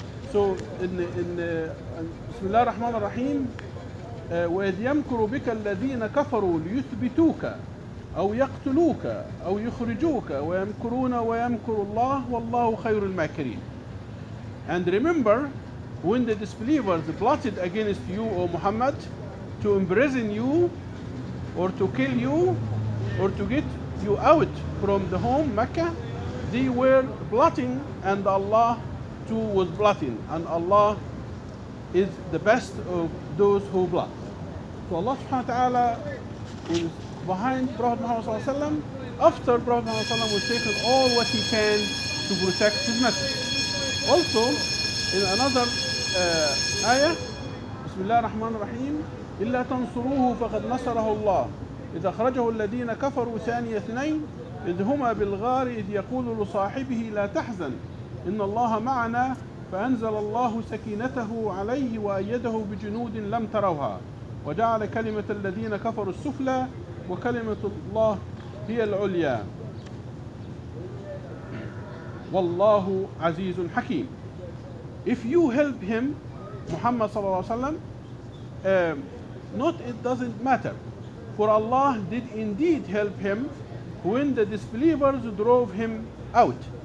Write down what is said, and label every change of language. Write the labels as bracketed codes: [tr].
[en] So in [ar] Bismillah ar-Rahman ar-Rahim, وَإِذْ يَمْكُرُ بِكَ الَّذِينَ كَفَرُوا لِيُثْبِتُوكَ أَوْ يَقْتُلُوكَ أَوْ يُخْرِجُوكَ وَيَمْكُرُونَ وَيَمْكُرُ اللَّهُ وَاللَّهُ خَيْرُ الْمَاكِرِينَ. [en] And remember, when the disbelievers plotted against you, O Muhammad, to imprison you or to kill you or to get you out from the home, Mecca, they were plotting, and Allah too was plotting, and Allah is the best of those who plot. So Allah subhanahu wa ta'ala is behind Prophet Muhammad sallallahu alayhi wa sallam, after Prophet Muhammad sallallahu alayhi wa sallam was taken all what he can to protect his message. Also, in another [ar] آية بسم الله الرحمن الرحيم إلا تنصروه فقد نصره الله إذا أخرجه الذين كفروا ثاني اثنين إذ هما بالغار إذ يقول لصاحبه لا تحزن إن الله معنا فأنزل الله سكينته عليه وأيده بجنود لم تروها وجعل كلمة الذين كفروا السفلى وكلمة الله هي العليا والله عزيز حكيم. [en] If you help him, Muhammad sallallahu alayhi wa sallam, not it doesn't matter. For Allah did indeed help him when the disbelievers drove him out.